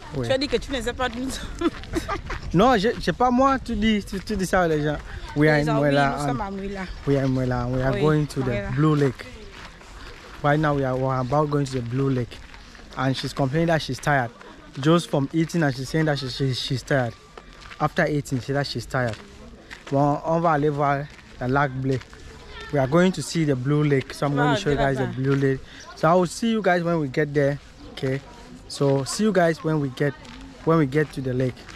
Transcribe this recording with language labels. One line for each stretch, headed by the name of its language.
French: Oui. Tu as dit que tu ne sais pas d'où nous sommes. Non, je pas moi, tu dis ça aux gens.
English: We are in Muela. We are in Muela. We are going to the blue lake. Right now we are about going to the blue lake. And she's complaining that she's tired. Just from eating, and she's saying that she's tired. After eating, she said that she's tired.
French: Well, on va aller voir le lac bleu.
English: We are going to see the blue lake. So I'm going to show you guys the blue lake. So I will see you guys when we get there. Okay. So see you guys when we get to the lake.